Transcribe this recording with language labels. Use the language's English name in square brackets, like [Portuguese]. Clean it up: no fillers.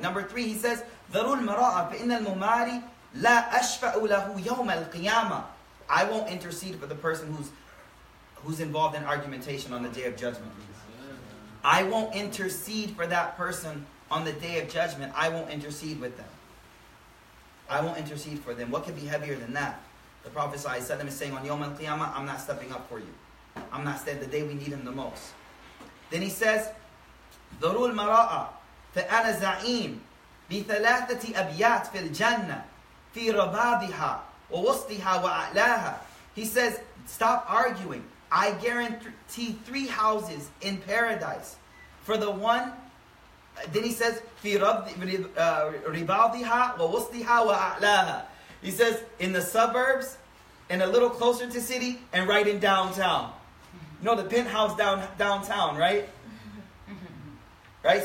[English] Number three, he says, [Arabic] dhurul mara'a, فَإِنَّ الْمُمَارِي لَا أَشْفَأُ لَهُ يَوْمَ الْقِيَامَةِ. [English] I won't intercede for the person who's involved in argumentation on the Day of Judgment. I won't intercede for that person on the Day of Judgment. I won't intercede with them. I won't intercede for them. What could be heavier than that? The Prophet ﷺ is saying, on Yawm al-Qiyamah, I'm not stepping up for you. I'm not saying the day we need him the most. Then he says, [Arabic] ذَرُوا الْمَرَاءَ فَأَنَا زَعِيمْ بِثَلَاثَةِ أَبْيَاتِ فِي الْجَنَّةِ فِي رَبَاضِهَا وَوَسْطِهَا وَأَعْلَاهَا. [English] He says, stop arguing. I guarantee three houses in paradise. For the one, then he says, [Arabic] فِي رَبَاضِهَا وَوَسْطِهَا وَأَعْلَاهَا. [English] He says, in the suburbs, and a little closer to city, and right in downtown. You know, the penthouse downtown, right? Right?